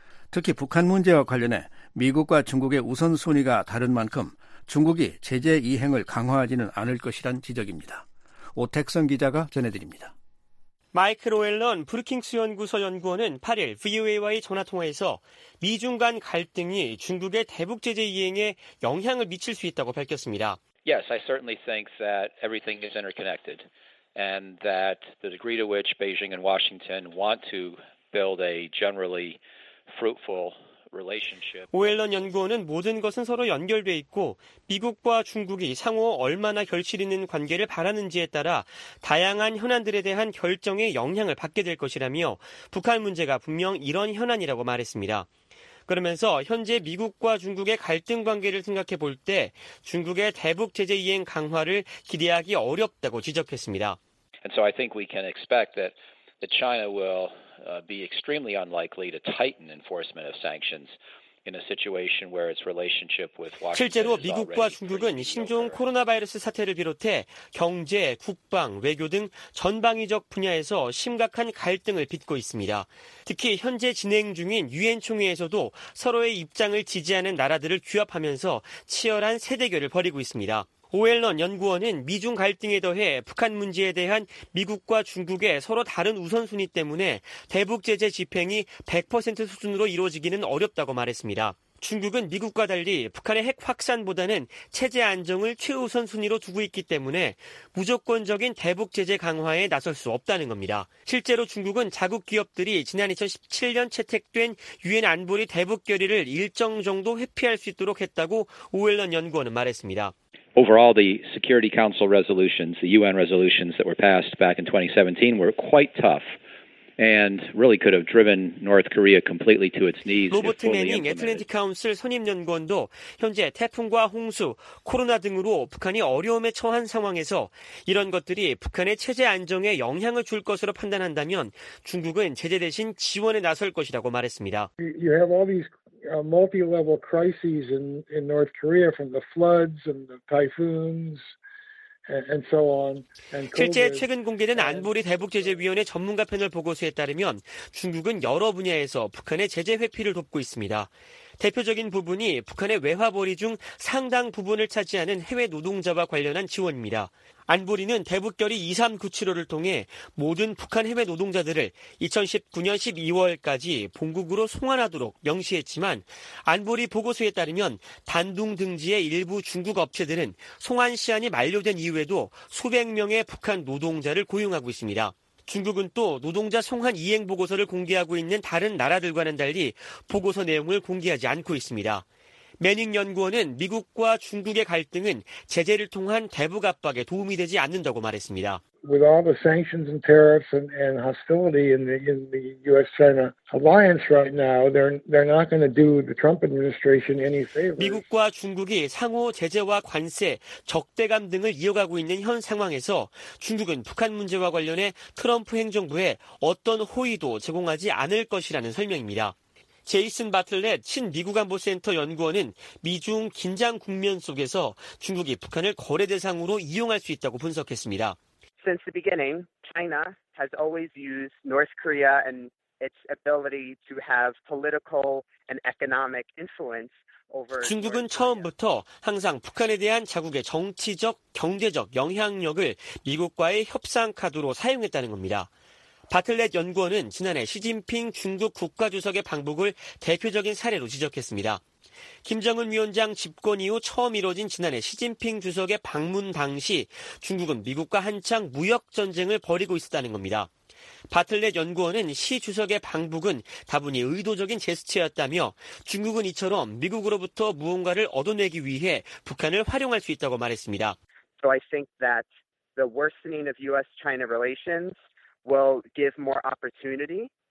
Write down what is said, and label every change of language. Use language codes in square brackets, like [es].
[ko] 특히 북한 문제와 관련해 미국과 중국의 우선순위가 다른 만큼 중국이 제재 이행을 강화하지는 않을 것이란 지적입니다. 오택성 기자가 전해드립니다. 마이클 오웰런 브루킹스 연구소 연구원은 8일 VOA와의 전화통화에서 미중 간 갈등이 중국의 대북 제재 이행에 영향을 미칠 수 있다고 밝혔습니다. [en] Yes, I certainly think that everything is interconnected and that the degree to which Beijing and Washington want to build a generally fruitful relationship. [ko] 오웰런 연구원은 모든 것은 서로 연결돼 있고 미국과 중국이 상호 얼마나 결실 있는 관계를 바라는지에 따라 다양한 현안들에 대한 결정에 영향을 받게 될 것이라며 북한 문제가 분명 이런 현안이라고 말했습니다. 그러면서 현재 미국과 중국의 갈등 관계를 생각해 볼 때 중국의 대북 제재 이행 강화를 기대하기 어렵다고 지적했습니다. [en] And so I think we can expect that China will be extremely unlikely to tighten enforcement of sanctions in a situation where its relationship with Washington is already pretty [ko] 실제로 미국과 중국은 신종 코로나 바이러스 사태를 비롯해 경제, 국방, 외교 등 전방위적 분야에서 심각한 갈등을 빚고 있습니다. 특히 현재 진행 중인 유엔 총회에서도 서로의 입장을 지지하는 나라들을 규합하면서 치열한 세대결을 벌이고 있습니다. 오웰런 연구원은 미중 갈등에 더해 북한 문제에 대한 미국과 중국의 서로 다른 우선순위 때문에 대북 제재 집행이 100% 수준으로 이루어지기는 어렵다고 말했습니다. 중국은 미국과 달리 북한의 핵 확산보다는 체제 안정을 최우선 순위로 두고 있기 때문에 무조건적인 대북 제재 강화에 나설 수 없다는 겁니다. 실제로 중국은 자국 기업들이 지난 2017년 채택된 유엔 안보리 대북 결의를 일정 정도 회피할 수 있도록 했다고 오웰런 연구원은 말했습니다. [en] Overall, the Security Council resolutions, the UN resolutions that were passed back in 2017 were quite tough. And really could have driven North Korea completely to its knees. [ko] 로버트 매닝 애틀랜틱 카운슬 선임 연구원도 현재 태풍과 홍수, 코로나 등으로 북한이 어려움에 처한 상황에서 이런 것들이 북한의 체제 안정에 영향을 줄 것으로 판단한다면 중국은 제재 대신 지원에 나설 것이라고 말했습니다. [en] You have all these multi-level crises in North Korea from the floods and the typhoons. And so on. And [ko] 실제 최근 공개된 안보리 대북제재위원회 전문가 패널 보고서에 따르면 중국은 여러 분야에서 북한의 제재 회피를 돕고 있습니다. 대표적인 부분이 북한의 외화벌이 중 상당 부분을 차지하는 해외 노동자와 관련한 지원입니다. 안보리는 대북결의 2397호를 통해 모든 북한 해외 노동자들을 2019년 12월까지 본국으로 송환하도록 명시했지만 안보리 보고서에 따르면 단둥 등지의 일부 중국 업체들은 송환 시한이 만료된 이후에도 수백 명의 북한 노동자를 고용하고 있습니다. 중국은 또 노동자 송환 이행 보고서를 공개하고 있는 다른 나라들과는 달리 보고서 내용을 공개하지 않고 있습니다. 매닝 연구원은 미국과 중국의 갈등은 제재를 통한 대북 압박에 도움이 되지 않는다고 말했습니다. [en] With all the sanctions and tariffs and hostility in the U.S.-China alliance right now, they're not going to do the Trump administration any favors. [ko] 미국과 중국이 상호 제재와 관세, 적대감 등을 이어가고 있는 현 상황에서 중국은 북한 문제와 관련해 트럼프 행정부에 어떤 호의도 제공하지 않을 것이라는 설명입니다. 제이슨 바틀렛 친미국안보센터 연구원은 미중 긴장 국면 속에서 중국이 북한을 거래 대상으로 이용할 수 있다고 분석했습니다. [en] Since the beginning, China has always used North Korea and its ability to have political and economic influence over. [ko] 중국은 처음부터 항상 북한에 대한 자국의 정치적, 경제적 영향력을 미국과의 협상 카드로 사용했다는 겁니다. 바틀렛 연구원은 지난해 시진핑 중국 국가주석의 방북을 대표적인 사례로 지적했습니다. 김정은 위원장 집권 이후 처음 이뤄진 지난해 시진핑 주석의 방문 당시 중국은 미국과 한창 무역 전쟁을 벌이고 있었다는 겁니다. 바틀렛 연구원은 시 주석의 방북은 다분히 의도적인 제스처였다며 중국은 이처럼 미국으로부터 무언가를 얻어내기 위해 북한을 활용할 수 있다고 말했습니다. [en] So I think that the worsening of U.S.-China relations will give more opportunity.